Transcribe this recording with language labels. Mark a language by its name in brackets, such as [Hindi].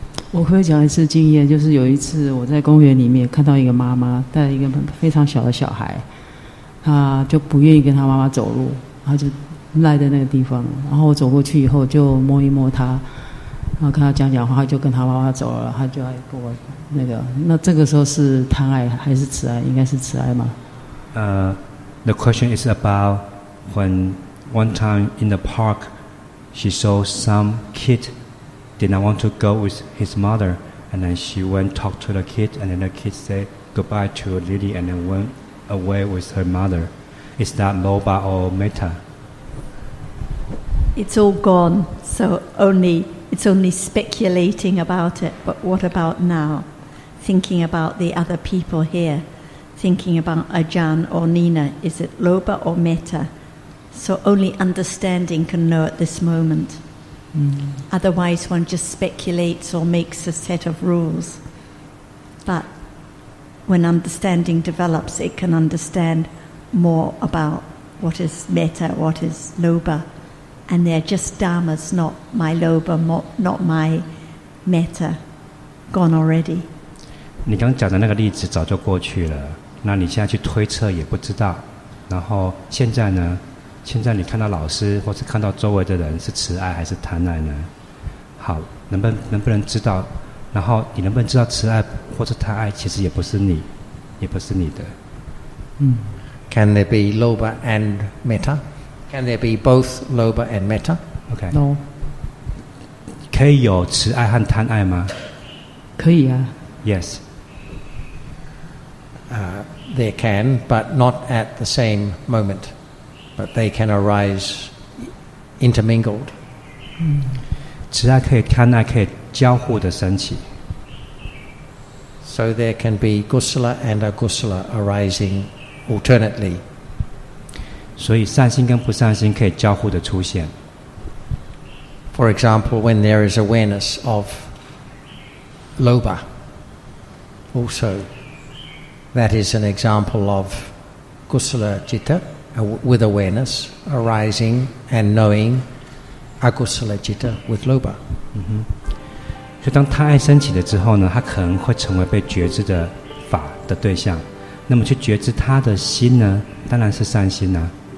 [Chinese] 我可以讲一次经验，就是有一次我在公园里面看到一个妈妈带一个非常小的小孩，她就不愿意跟她妈妈走路，她就赖在那个地方，然后我走过去以后就摸一摸她，然后跟他讲讲话，他就跟他妈妈走了，他就来跟我那个。那这个时候是贪爱还是慈爱？应该是慈爱吗？ [English] The question is about when one time in the park, she saw some kid did not want to go with his mother, and then she went talk to the kid, and then the kid said goodbye to Lily, and then went away with her mother. Is that lobha or metta? It's all gone. So only. It's only speculating about it, but what about now? Thinking about the other people here, thinking about Ajahn or Nina, is it lobha or metta? So only understanding can know at this moment. Mm. Otherwise, one just speculates or makes a set of rules. But when understanding develops, it can understand more about what is metta, what is lobha. And they're just dharmas, not my lobha, not my metta, gone already. [Chinese] 你刚讲的那个例子早就过去了，那你现在去推测也不知道。然后现在呢？现在你看到老师或是看到周围的人是慈爱还是贪爱呢？好，能不能知道？然后你能不能知道慈爱或是贪爱其实也不是你，也不是你的。 [English] 嗯。Can there be lobha and metta? Can there be both lobha and metta? Okay. No. [Chinese] 可以有慈爱和贪爱吗？可以啊。 [English] Yes. They can, but not at the same moment. But they can arise intermingled. [Chinese] 慈爱可以贪爱可以交互的升起。 [English] So there can be kusala and akusala arising alternately. [Chinese] 所以善心跟不善心可以交互的出现。 [English] For example, when there is awareness of lobha, also that is an example of kusala citta with awareness arising and knowing akusala citta with lobha. 嗯哼。 [Chinese] 所以当贪爱升起了之后呢，它可能会成为被觉知的法的对象。那么去觉知他的心呢，当然是善心啊。